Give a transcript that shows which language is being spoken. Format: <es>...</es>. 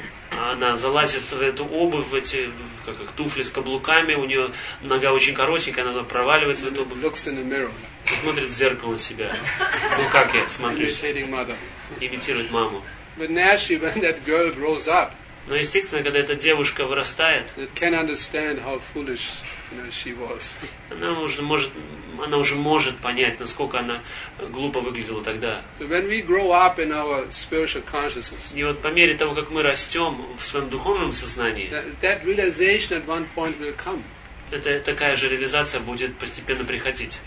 <ru>Она залазит в эту обувь, в эти как туфли с каблуками. У нее нога очень коротенькая, она проваливается в эту обувь.</ru> <en>Looks in the mirror.</en> <ru>И смотрит в зеркало себя. Ну как я смотрю? Имитирует маму.</ru> <en>But naturally, when that girl grows up,</en> <ru>но естественно, когда эта девушка вырастает,</ru> <en>can't understand how foolish, you know, she was.</en> <ru>Она уже может понять, насколько она глупо выглядела тогда.</ru> <en>When we grow up in our spiritual consciousness,</en> <ru>и вот по мере того, как мы растем в своем духовном сознании,</ru> <en>that realization at one point will come.</en> <ru>Это такая же реализация будет постепенно приходить.</ru>